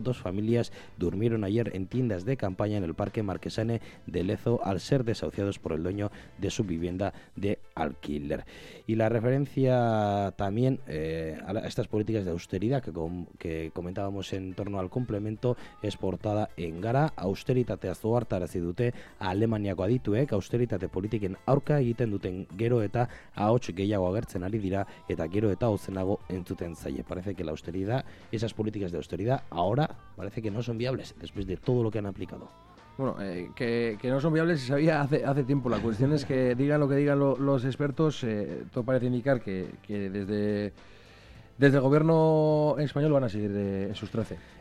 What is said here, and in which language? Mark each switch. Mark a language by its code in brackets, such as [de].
[es] Dos familias durmieron ayer en tiendas de campaña en el parque Marquesane de Lezo al ser desahuciados por el dueño de su vivienda de alquiler. Y la referencia también a estas políticas de austeridad que comentábamos en torno al complemento es portada en Gara. [eu] Austeritate azuartarazi dute Alemaniako adituek, austeritate politiken aurka egiten dute gero eta ahots gehiago agertzen ari dira eta gero eta ozenago entzuten zaie. [es] Parece que la austeridad, esas políticas de austeridad, ahora parece que no son viables después de todo lo que han aplicado. Bueno, que no son viables se sabía hace tiempo. La cuestión es que digan lo que digan los expertos, todo parece indicar que desde el gobierno español van a seguir en sus 13.